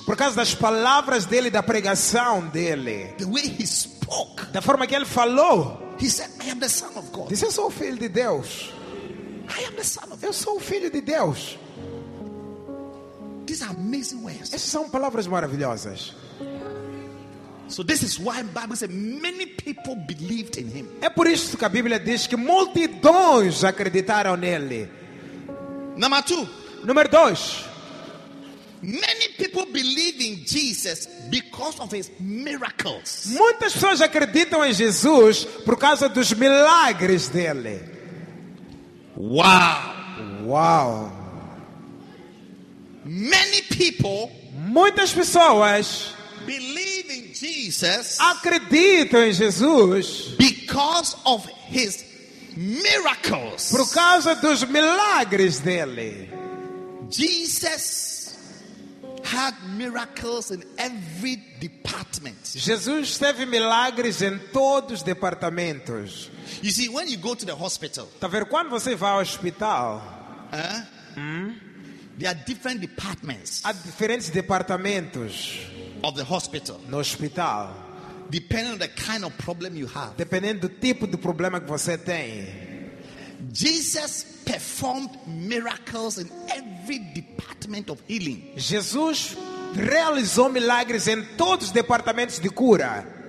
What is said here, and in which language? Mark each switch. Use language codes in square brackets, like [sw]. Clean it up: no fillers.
[pt] Por causa das palavras dele, da pregação dele. [en] The way he spoke. [pt] Da forma que ele falou. [en] He said, "I am the Son of God." [pt] Disse, eu sou o filho de Deus. [en] I am the Son of God. [pt] Eu sou o filho de Deus. [en] These are amazing words. [pt] Essas são palavras maravilhosas. [en] So this is why the Bible says many people believed in him. [pt] É por isso que a Bíblia diz que multidões acreditaram nele. [en] Number two. [pt] Número dois. [en] Many people believe in Jesus because of his miracles. [pt] Muitas pessoas acreditam em Jesus por causa dos milagres dele. [en] Wow! Wow! Many people, [pt] muitas pessoas, [en] believe in Jesus, [pt] acreditam em Jesus [en] because of his miracles. [pt] Por causa dos milagres dele. [en] Jesus had miracles in every department. [pt] Jesus teve milagres em todos os departamentos. [en] You see, when you go to the hospital, [pt] tá vendo, quando você vai ao hospital, [en] there are different departments. [pt] Há diferentes departamentos [en] of the hospital. [pt] No hospital, [en] depending on the kind of problem you have. [pt] Dependendo do tipo de problema que você tem. [en] Jesus performed miracles in every department of healing. [pt] Jesus realizou milagres em todos os departamentos de cura.